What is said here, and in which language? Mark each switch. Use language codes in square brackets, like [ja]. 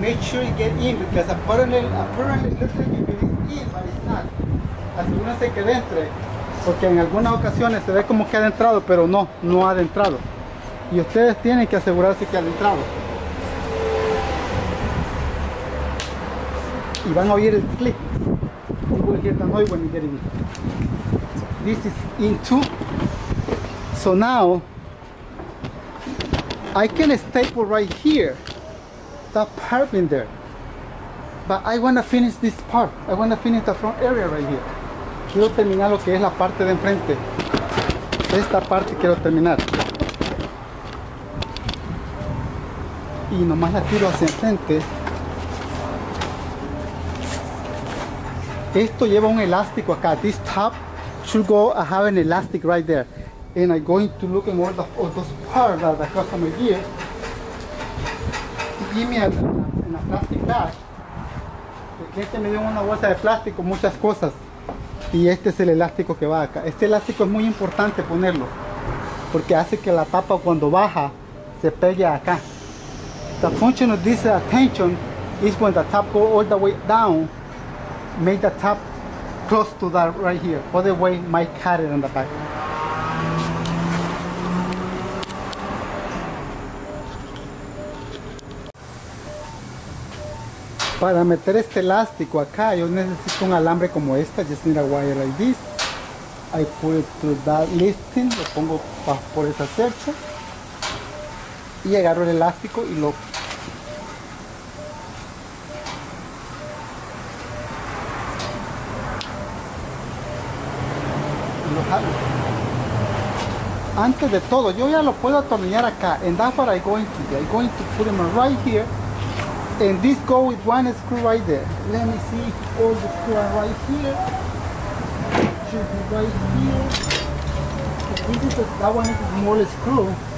[en] Because apparently looks like it is in, but it's not. [es] Asegúrense que entre, porque en algunas ocasiones se ve como que ha adentrado, pero no, no ha adentrado. Y ustedes tienen que asegurarse que ha adentrado. Y van a oír el click. [en] You will hear the noise when you get in. This is in two. So now, I can staple right here, that part in there. But I want to finish this part. I want to finish the front area right here. [es] Quiero terminar lo que es la parte de enfrente. Esta parte quiero terminar. y nomás la tiro hacia enfrente. Esto lleva un elástico acá. [en] This top should go, I have an elastic right there. And I'm going to look at all those parts that are across my gear. Give me a plastic bag. I'm going to give you a [es] bolsa de plástico, muchas cosas. Y este es el elástico que va acá. Este elástico es muy importante ponerlo, porque hace que la tapa cuando baja se pegue acá. [en] The function of this tension is when the top goes all the way down, make the top close to that right here. Other way might cut it on the back. [es] Para meter este elástico acá, yo necesito un alambre como esta. [en] Just need a wire like this. I put it through that lifting, [es] lo pongo por esa cercha. Y agarro el elástico y lo... lo jalo. Antes de todo, yo ya lo puedo atornillar acá. [en] And that's what I'm going to do. I'm going to put him right here. And this go with one screw right there. Let me see if all the screws are right here. Should be right here. This is a, that one is a small screw.